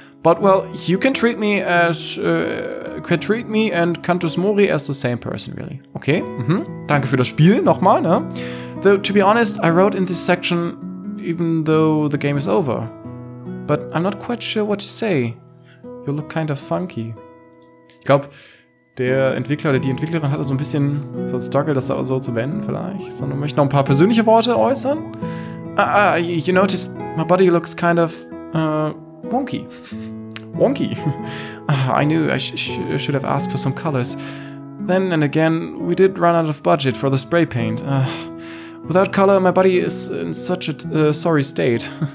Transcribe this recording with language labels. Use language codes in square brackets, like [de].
[en] But, well, you can treat me as, can treat me and Kantos Mori as the same person, really. [de] Okay, mhm. Danke für das Spiel, nochmal, ne? [en] Though, to be honest, I wrote in this section even though the game is over. But I'm not quite sure what to say. You look kind of funky. [de] Ich glaube, der Entwickler oder die Entwicklerin hatte so ein bisschen so ein Struggle, das so zu wenden, vielleicht. Sondern möchte noch ein paar persönliche Worte äußern. [en] You noticed my body looks kind of, wonky. Wonky? I knew I should have asked for some colors. Then and again, we did run out of budget for the spray paint. Without color, my body is in such a sorry state.